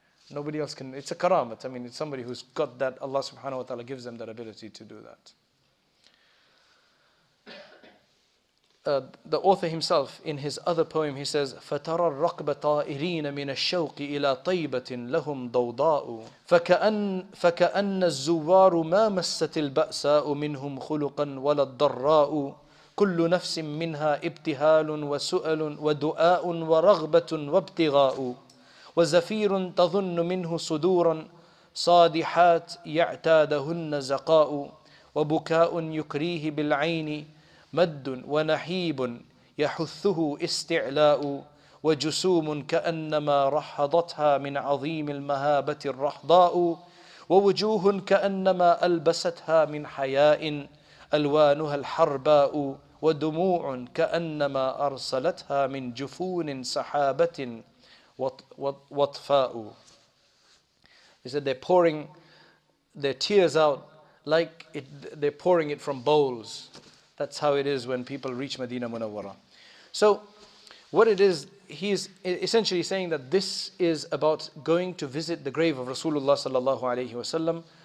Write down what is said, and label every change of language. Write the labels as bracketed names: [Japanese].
[English] Nobody else can. It's a karamat. I mean, it's somebody who's got that. Allah subhanahu wa ta'ala gives them that ability to do that. The author himself, in his other poem, he says, [Arabic] فَتَرَى الرَّقْبَ طَائِرِينَ مِنَ الشَّوْقِ إِلَىٰ طَيْبَةٍ لَهُمْ ضَوْضَاءُ فَكَأَنَّ الزُّوَّارُ مَا مَسَّتِ الْبَأْسَاءُ مِنْهُمْ خُلُقًا وَلَا الضَّرَّاءُ كل نفس منها ابتهال وسؤل ودعاء ورغبة وابتغاء وزفير تظن منه صدورا صادحات يعتادهن زقاء وبكاء يكريه بالعين مد ونحيب يحثه استعلاء وجسوم كأنما رحضتها من عظيم المهابة الرحضاء ووجوه كأنما ألبستها من حياء ألوانها الحرباء ودموع كأنما أرسلتها من جفون سحابة وطفاء. [English] He said they're pouring their tears out like they're pouring it from bowls. That's how it is when people reach Madina Munawwara. So what it is, he's essentially saying that this is about going to visit the grave of Rasulullah sallallahu alayhi wa sallam.